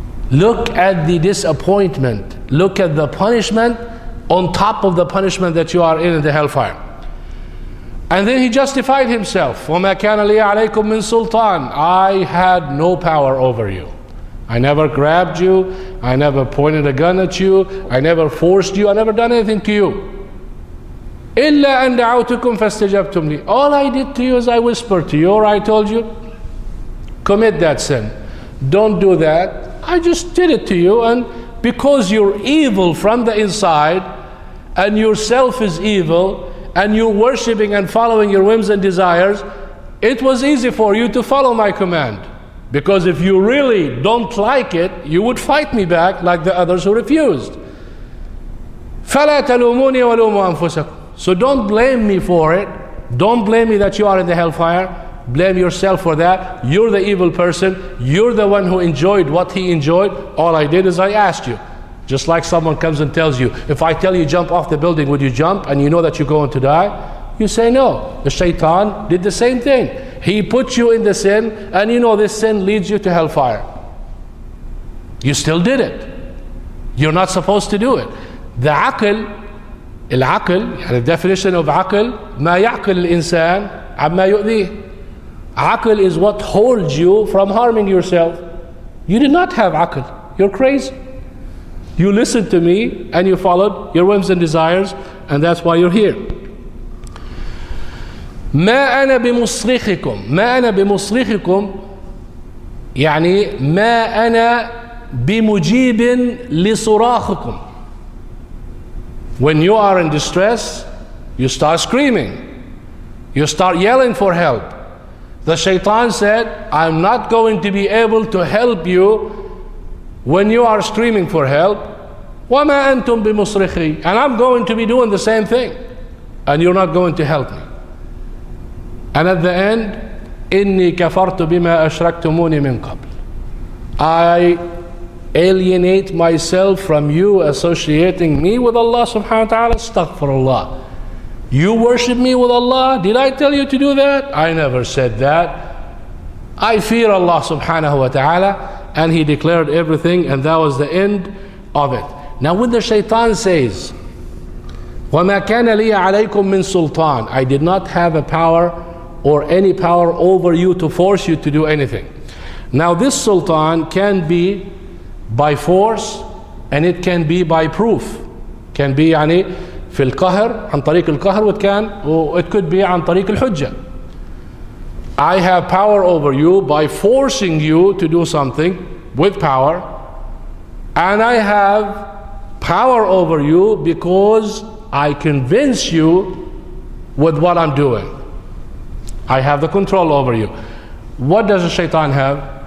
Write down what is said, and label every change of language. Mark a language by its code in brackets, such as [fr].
[en] Look at the disappointment. Look at the punishment on top of the punishment that you are in the hellfire. And then he justified himself. [ar] وَمَا كَانَ لِيَ عَلَيْكُمْ مِنْ سُلْطَانِ. [en] I had no power over you. I never grabbed you. I never pointed a gun at you. I never forced you. I never done anything to you. [ar] إلا أن دعوتكم فاستجبتم لي. [en] All I did to you is I whispered to you, or I told you, commit that sin. Don't do that. I just did it to you, and because you're evil from the inside, and yourself is evil, and you're worshiping and following your whims and desires, it was easy for you to follow my command. Because if you really don't like it, you would fight me back like the others who refused. [ar] فَلَا تَلُومُونِي وَلُومُوا أَنفُسَكُمْ. [en] So don't blame me for it. Don't blame me that you are in the hellfire. Blame yourself for that. You're the evil person. You're the one who enjoyed what he enjoyed. All I did is I asked you. Just like someone comes and tells you, if I tell you jump off the building, would you jump? And you know that you're going to die? You say no. The shaitan did the same thing. He put you in the sin, and you know this sin leads you to hellfire. You still did it. You're not supposed to do it. [ar] The aql, العقل, [en] the definition of [ar] عقل, ما يعقل الإنسان عما يؤذيه. [en] عقل is what holds you from harming yourself. You did not have عقل. You're crazy. You listened to me and you followed your whims and desires, and that's why you're here. [ar] ما أنا بمصرخكم. ما أنا بمصرخكم يعني ما أنا بمجيب لصراخكم. [en] When you are in distress, you start screaming. You start yelling for help. The shaitan said, I'm not going to be able to help you when you are screaming for help. [ar] وَمَا أَنْتُمْ بِمُصْرِخِي. [en] And I'm going to be doing the same thing. And you're not going to help me. And at the end, [ar] إِنِّي كَفَرْتُ بِمَا أَشْرَكْتُمُونِ مِنْ قَبْلِ. [en] I alienate myself from you associating me with Allah subhanahu wa ta'ala. Astaghfirullah. You worship me with Allah? Did I tell you to do that? I never said that. I fear Allah subhanahu wa ta'ala. And he declared everything, and that was the end of it. Now when the shaitan says, [ar] وَمَا كَانَ لِيَ عَلَيْكُمْ مِنْ سُلْطَانِ. [en] I did not have a power or any power over you to force you to do anything. Now this sultan can be by force, and it can be by proof. Can be [ar] يعني في القهر عن طريق القهر, [en] it can, or it could be [ar] عن طريق الحجة. [en] I have power over you by forcing you to do something with power, and I have power over you because I convince you with what I'm doing. I have the control over you. What does a shaitan have?